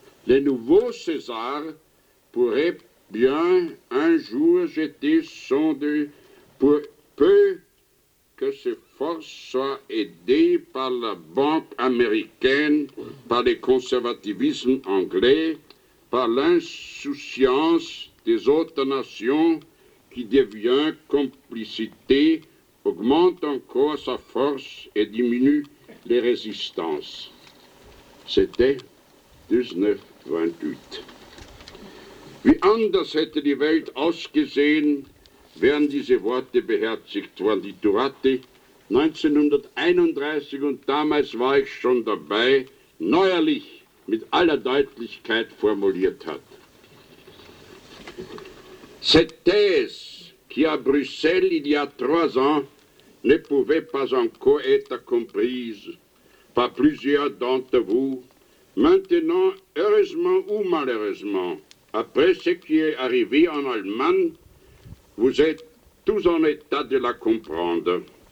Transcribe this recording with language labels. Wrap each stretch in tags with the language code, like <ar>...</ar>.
<fr>Le nouveau César pourrait bien un jour jeter son deux, pour peu que ses forces soient aidées par la banque américaine, par le conservativisme anglais, par l'insouciance des autres nations qui devient complicité, augmente encore sa force et diminue les résistances. C'était 1928.</fr> <de>Wie anders hätte die Welt ausgesehen, wären diese Worte beherzigt worden, die Turati 1931, und damals war ich schon dabei, neuerlich mit aller Deutlichkeit formuliert hat.</de> <fr>Cette thèse, qui à Bruxelles il y a trois ans, ne pouvait pas encore être comprise par plusieurs d'entre vous, maintenant, heureusement ou malheureusement, après ce qui est arrivé en Allemagne, vous êtes tous en état de la comprendre.</fr>